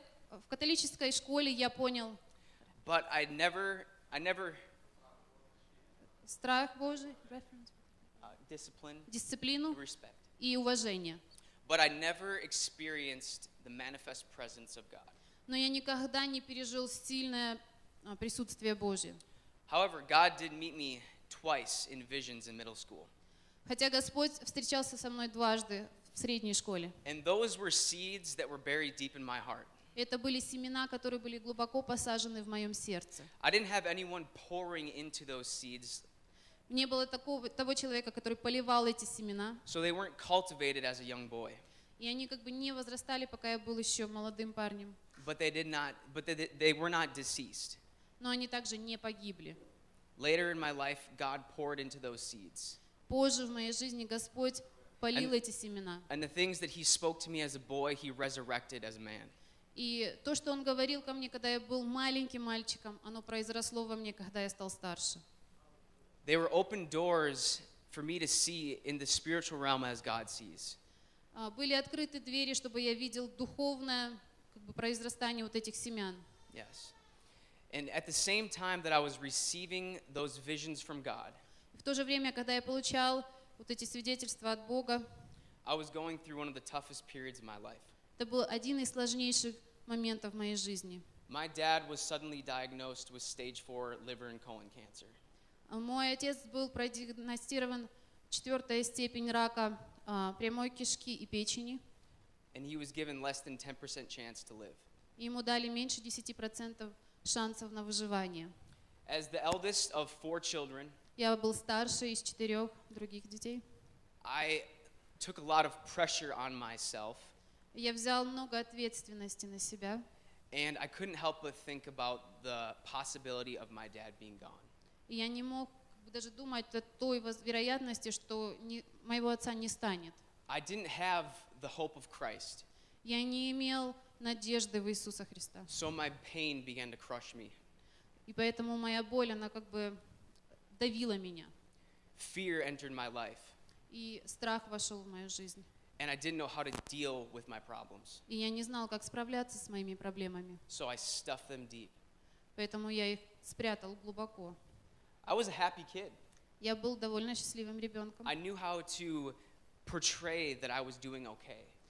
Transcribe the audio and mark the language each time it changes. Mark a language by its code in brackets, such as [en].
[ru] В католической школе я понял. [en] But I never. [ru] Страх Божий, reverence. [en] Discipline. [ru] Дисциплину. [en] Respect. [ru] И уважение. [en] But I never experienced the manifest presence of God. [ru] Но я никогда не пережил сильное присутствие Божие. [en] However, God did meet me twice in visions in middle school. [ru] Хотя Господь встречался со мной дважды в средней школе. [en] And those were seeds that were buried deep in my heart. [ru] Это были семена, которые были глубоко посажены в моем сердце. [en] I didn't have anyone pouring into those seeds. [ru] Не было того человека, который поливал эти семена. [en] So they weren't cultivated as a young boy. [ru] И они как бы не возрастали, пока я был еще молодым парнем. [en] But they were not deceased. [ru] Но они также не погибли. [en] Later in my life, God poured into those seeds. [ru] Позже в моей жизни Господь полил эти семена. [en] And the things that he spoke to me as a boy, he resurrected as a man. [ru] И то, что он говорил ко мне, когда я был маленьким мальчиком, оно произросло во мне, когда я стал старше. [en] They were open doors for me to see in the spiritual realm as God sees. [ru] Были открыты двери, чтобы я видел духовное как бы произрастание вот этих семян. [en] Yes. And at the same time that I was receiving those visions from God, [ru] в то же время, когда я получал вот эти свидетельства от Бога, [en] I was going through one of the toughest periods of my life. [ru] Это был один из сложнейших моментов моей жизни. [en] My dad was suddenly diagnosed with stage 4 liver and colon cancer. [ru] Мой отец был продиагностирован четвертая степень рака прямой кишки и печени. [en] And he was given less than 10% chance to live. [ru] Ему дали меньше 10% шансов на выживание. [en] As the eldest of 4 children, [ru] я был старше из четырех других детей. [en] I took a lot of pressure on myself. [ru] Я взял много ответственности на себя. [en] And I couldn't help but think about the possibility of my dad being gone. [ru] Я не мог даже думать о той вероятности, что моего отца не станет. [en] I didn't have the hope of Christ. [ru] Я не имел надежды в Иисуса Христа. [en] So my pain began to crush me. [ru] И поэтому моя боль, она как бы давила меня. [en] Fear entered my life. [ru] И страх вошел в мою жизнь. [en] And I didn't know how to deal with my problems. [ru] И я не знал, как справляться с моими проблемами. [en] So I stuffed them deep. [ru] Поэтому я их спрятал глубоко. [en] I was a happy kid. [ru] Я был довольно счастливым ребенком. [en] I knew how to portray that I was doing okay.